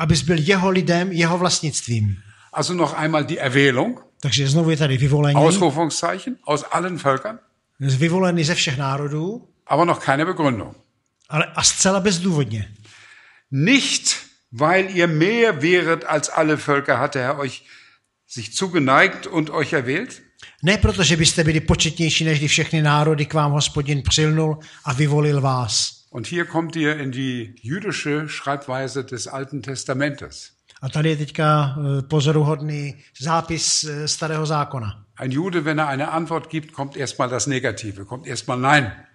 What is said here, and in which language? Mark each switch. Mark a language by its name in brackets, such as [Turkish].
[Czech] Abys byl jeho lidem, jeho vlastnictvím. [German] Also noch einmal die Erwählung. [Czech] Takže znovu je tady vyvolení. [German] Ausrufungszeichen, aus allen Völkern. [Czech] Vyvolený ze všech národů. [German] Aber noch keine Begründung. [Czech] Ale a zcela bezdůvodně. [German] Nicht, weil ihr mehr wäret als alle Völker, hat der Herr euch sich zugeneigt und euch erwählt. [Czech] Ne proto, že byste byli početnější než všechny národy, k vám Hospodin přilnul a vyvolil vás. [German] Und hier kommt ihr in die jüdische Schreibweise des Alten Testamentes. [Czech] A tady je teďka pozoruhodný zápis Starého zákona. [German] Ein Jude, wenn er eine Antwort gibt, kommt erstmal das Negative, kommt erstmal nein.